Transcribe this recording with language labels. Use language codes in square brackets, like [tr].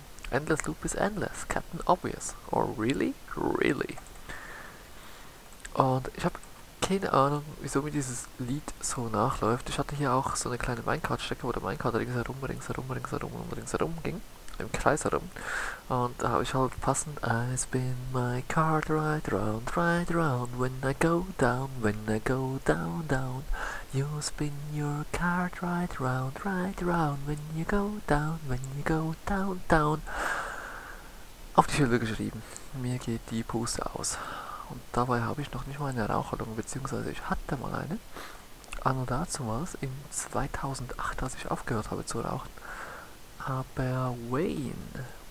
[en] Endless Loop is endless, Captain Obvious. Or really? Really? [de] Und ich habe keine Ahnung, wieso mir dieses Lied so nachläuft. Ich hatte hier auch so eine kleine Minecart-Strecke, wo der Minecart ringsherum, ringsherum, ringsherum und ringsherum ging. Im Kreis herum. Und da habe ich halt passend: [en] I spin my card right round, when I go down, down. You spin your card right round, when you go down, down. [de] Auf die Schilder geschrieben. Mir geht die Puste aus. Und dabei habe ich noch nicht mal eine Raucherlunge, beziehungsweise ich hatte mal eine. Anno dazu war es, im 2008, als ich aufgehört habe zu rauchen. Aber Wayne.